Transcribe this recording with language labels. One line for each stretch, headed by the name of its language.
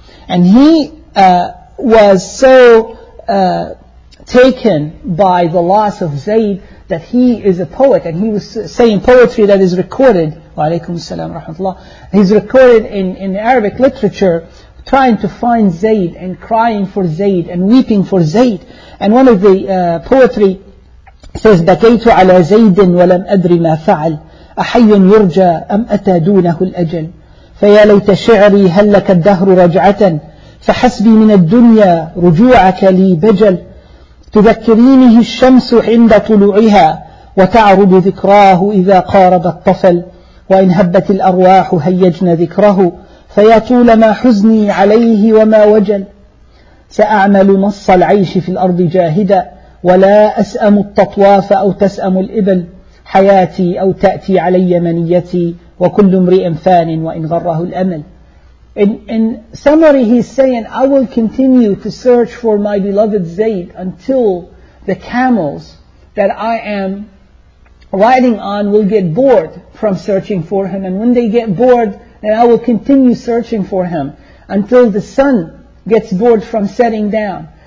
English: And he was so taken by the loss of Zayd that he is a poet, and he was saying poetry that is recorded,
Arabic: wa alaykum salam rahmatullah,
English: he's recorded in Arabic literature, trying to find Zayd and crying for Zayd and weeping for Zayd. And one of the poetry says,
Arabic: بكيت على زيد ولم أدري ما فعل أحي يرجى أم أتى دونه الأجل فيا ليت شعري هل لك الدهر رجعة فحسبي من الدنيا رجوعك لي بجل تذكرينه الشمس عند طلوعها وتعرض ذكراه إذا قارب الطفل وإن هبت الأرواح هيجن ذكره فيا طول ما حزني عليه وما وجل سأعمل نص العيش في الأرض جاهدا ولا أسأم التطواف أو تسأم الإبل حياتي أو تأتي علي منيتي وكل امرئ فان وإن غره الأمل.
English: In summary, he's saying, I will continue to search for my beloved Zayd until the camels that I am riding on will get bored from searching for him. And when they get bored, then I will continue searching for him until the sun gets bored from setting down.